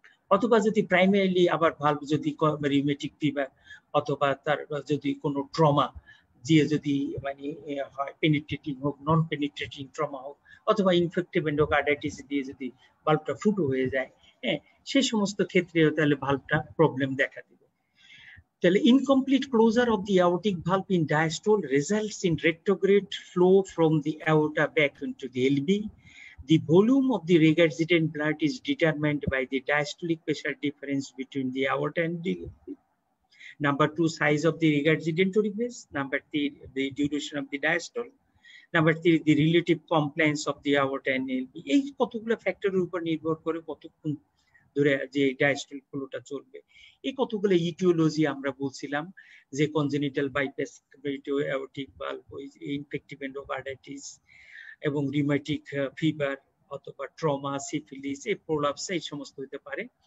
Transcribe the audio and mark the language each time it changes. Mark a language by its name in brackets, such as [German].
[Bangla] অথবা যদি প্রাইমারিলি আবার ভালভ যদি রিউমেটিক ফিভার অথবা তার যদি কোনো ট্রমা দিয়ে যদি মানে হয় পেনিট্রেটিং হোক নন পেনিট্রেটিং ট্রমা হোক অথবা ইনফেক্টিভ এন্ডোকার্ডাইটিস দিয়ে যদি ভালভটা ফুটো হয়ে যায়, হ্যাঁ সেই সমস্ত ক্ষেত্রেও তাহলে ভালভটা প্রবলেম দেখা দেবে। [English] তাহলে incomplete closure of the aortic valve in diastole results in retrograde flow from the aorta back into the LV. The volume of the regurgitant blood is determined by the diastolic pressure difference between the aorta and the LV. Number two, size of the regurgitatory vessel. Number three, the duration of the diastole. Number three, the relative compliance of the aorta and LV. [Bangla] এই কতগুলো ফ্যাক্টরের উপর নির্ভর করে কতক্ষণ ধরে যে diastole ফ্লোটা চলবে, এই কতগুলো ইটিওলজি আমরা বলছিলাম যে congenital bypass aortic valve infective endocarditis এবং রিউমাটিক ফিভার অথবা ট্রমা সিফিলিস এই প্রোলাপস এই সমস্ত হতে পারে।